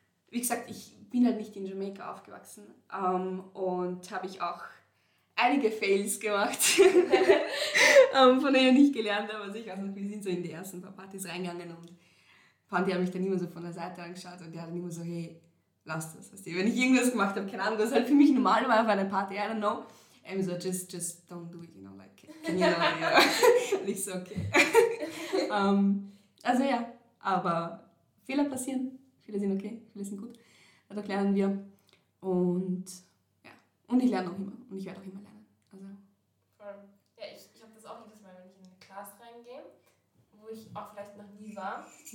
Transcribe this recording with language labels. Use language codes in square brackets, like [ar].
[de] Wie gesagt, ich bin halt nicht in Jamaica aufgewachsen und habe ich auch einige Fails gemacht, von denen ich nicht gelernt habe. Also ich weiß noch, wir sind so in die ersten paar Partys reingegangen und Panti hat mich dann immer so von der Seite angeschaut und der hat dann immer so, hey, lass das. Weißt du, wenn ich irgendwas gemacht habe, keine Ahnung, das ist halt für mich normal war auf einer Party, [en] I don't know. [de] Und so, [en] just don't do it, you know, like, can you know, yeah. [de] Und ich so, okay. Also ja, aber Fehler passieren, viele sind okay, viele sind gut, dadurch lernen wir. Und ja, und ich lerne auch immer und ich werde auch immer lernen. Also. Ja, ich habe das auch jedes Mal, wenn ich in eine Class reingehe, wo ich auch vielleicht noch nie war.